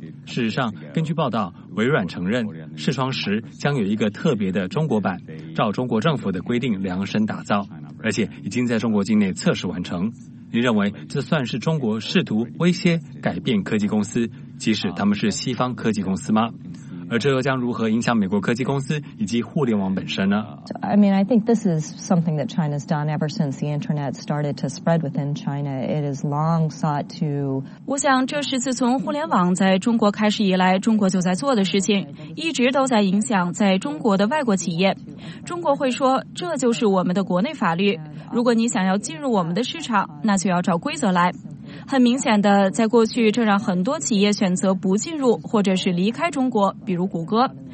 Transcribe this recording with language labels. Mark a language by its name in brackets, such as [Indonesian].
[Chinese] 事实上，根据报道，微软承认视窗10将有一个特别的中国版，照中国政府的规定量身打造，而且已经在中国境内测试完成。你认为这算是中国试图威胁改变科技公司，即使他们是西方科技公司吗？而这又将如何影响美国科技公司以及互联网本身呢？ [English] I mean, I think this is something that China's done ever since the internet started to spread within China. It is long sought to. [Chinese] 我想这是自从互联网在中国开始以来，中国就在做的事情，一直都在影响在中国的外国企业。中国会说，这就是我们的国内法律。如果你想要进入我们的市场，那就要照规则来。很明显的，在过去这让很多企业选择不进入或者是离开中国，比如谷歌。